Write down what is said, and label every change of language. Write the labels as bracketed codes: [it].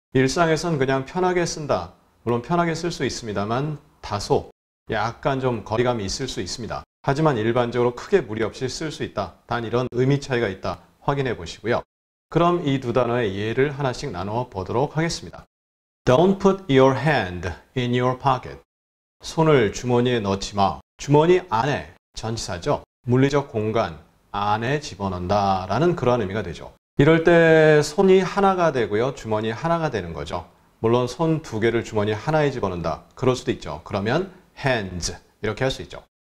[ko] 일상에선 그냥 편하게 쓴다. 물론 편하게 쓸 수 있습니다만 다소 약간 좀 거리감이 있을 수 있습니다. 하지만 일반적으로 크게 무리 없이 쓸 수 있다. 단 이런 의미 차이가 있다. 확인해 보시고요. 그럼 이 두 단어의 예를 하나씩 나누어 보도록 하겠습니다. [en] Don't put your hand in your pocket. [ko] 손을 주머니에 넣지 마. 주머니 안에 전치사죠. 물리적 공간 안에 집어넣는다 라는 그런 의미가 되죠. 이럴 때 손이 하나가 되고요. 주머니 하나가 되는 거죠. 물론 손 두 개를 주머니 하나에 집어넣는다. 그럴 수도 있죠. 그러면 hands 이렇게 할 수 있죠.